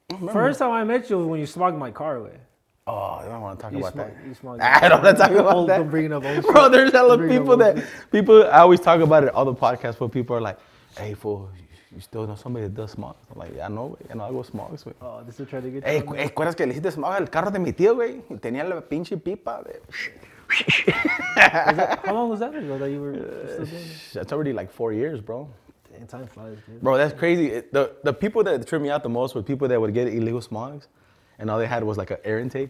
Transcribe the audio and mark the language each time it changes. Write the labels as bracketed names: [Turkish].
[English] First time I met you was when you smoked my car away. Oh, I don't want to talk about that. I don't want to talk about that. Bringing up bro, there's a lot of people that... People, I always talk about it on the podcast where people are like, hey, fool, you still know somebody that does smog. I'm like, yeah, I know I go smog. Oh, this is trying to get you. [Spanish] Hey, ¿recuerdas que le hiciste smog al carro de mi tío, güey? Y tenía la pinche pipa de... [English] How long was that ago that you were still doing? That's already like 4 years, bro. And time flies, dude. Bro, that's crazy. The people that tripped me out the most were people that would get illegal smogs, and all they had was like an air intake.